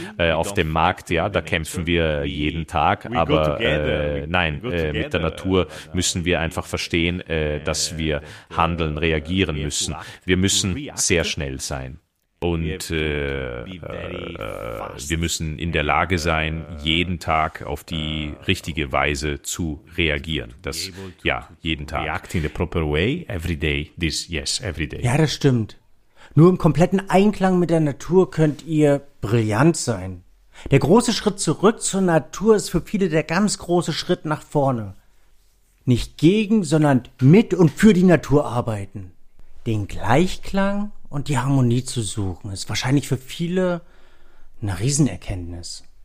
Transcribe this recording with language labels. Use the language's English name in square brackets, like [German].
[German] Auf dem Markt, ja, da kämpfen wir jeden Tag. Aber nein, mit der Natur müssen wir einfach verstehen, dass wir handeln, reagieren müssen. Wir müssen sehr schnell sein. Und wir müssen in der Lage sein, jeden Tag auf die richtige Weise zu reagieren. Das, ja, jeden Tag. [English] React in the proper way, every day, this, yes, every day. [German] Ja, das stimmt. Nur im kompletten Einklang mit der Natur könnt ihr brillant sein. Der große Schritt zurück zur Natur ist für viele der ganz große Schritt nach vorne. Nicht gegen, sondern mit und für die Natur arbeiten. Den Gleichklang und die Harmonie zu suchen, ist wahrscheinlich für viele eine Riesenerkenntnis.